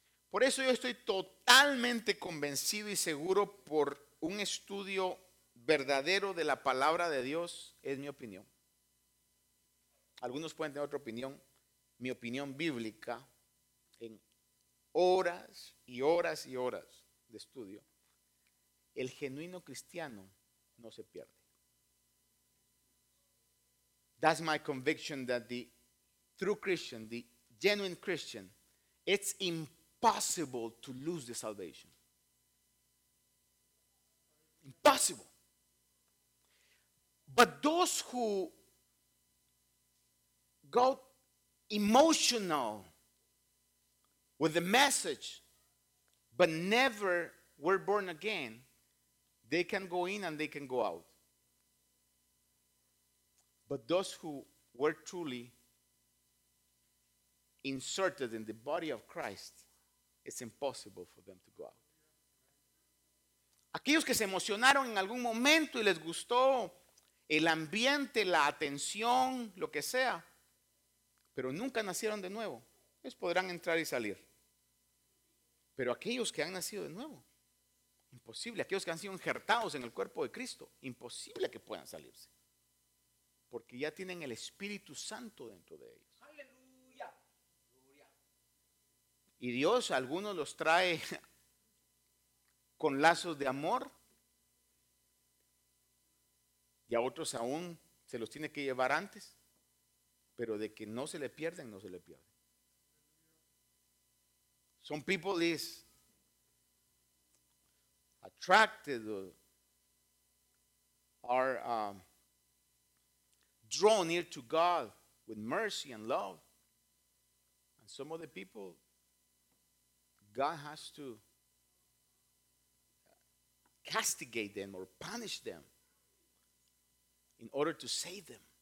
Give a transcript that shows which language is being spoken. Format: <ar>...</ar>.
<es>Por eso yo estoy totalmente convencido y seguro por un estudio verdadero de la palabra de Dios, es mi opinión. Algunos pueden tener otra opinión. Mi opinión bíblica, en horas y horas y horas de estudio, el genuino cristiano no se pierde.</es> <en>That's my conviction, that the true Christian, the genuine Christian, it's impossible to lose the salvation. Impossible. But those who got emotional with the message but never were born again, they can go in and they can go out. But those who were truly inserted in the body of Christ, it's impossible for them to go out.</en> <es>Aquellos que se emocionaron en algún momento y les gustó el ambiente, la atención, lo que sea, pero nunca nacieron de nuevo, ellos podrán entrar y salir. Pero aquellos que han nacido de nuevo, imposible. Aquellos que han sido injertados en el cuerpo de Cristo, imposible que puedan salirse, porque ya tienen el Espíritu Santo dentro de ellos. Y Dios a algunos los trae con lazos de amor, y a otros aún se los tiene que llevar antes, pero de que no se le pierden, no se le pierden.</es> <en>Some people is attracted or are drawn near to God with mercy and love, and some of the people God has to castigate them or punish them in order to save them.</en>